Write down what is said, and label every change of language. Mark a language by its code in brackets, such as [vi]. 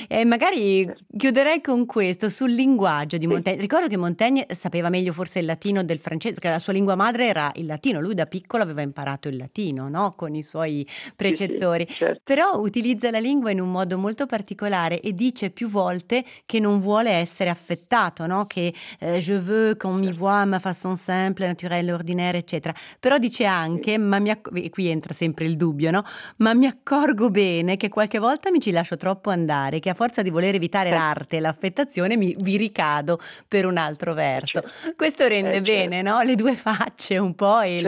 [it] Magari chiuderei con questo sul linguaggio di Montaigne. Ricordo che Montaigne sapeva meglio forse il latino del francese, perché la sua lingua madre era il latino, lui da piccolo aveva imparato il latino, no? Con i suoi precettori. Sì, certo. Però utilizza la lingua in un modo molto particolare e dice più volte che non vuole essere affettato, no? [fr] Che je veux qu'on mi voit ma façon simple, naturelle, ordinaire, eccetera. [it] Però dice anche, ma mi qui entra sempre il dubbio, no? Ma mi accorgo bene che qualche volta mi ci lascio troppo andare, che a forza di voler evitare l'arte e l'affettazione vi ricado per un altro verso. Certo. Questo rende bene, certo, no? Le due facce un po' e certo,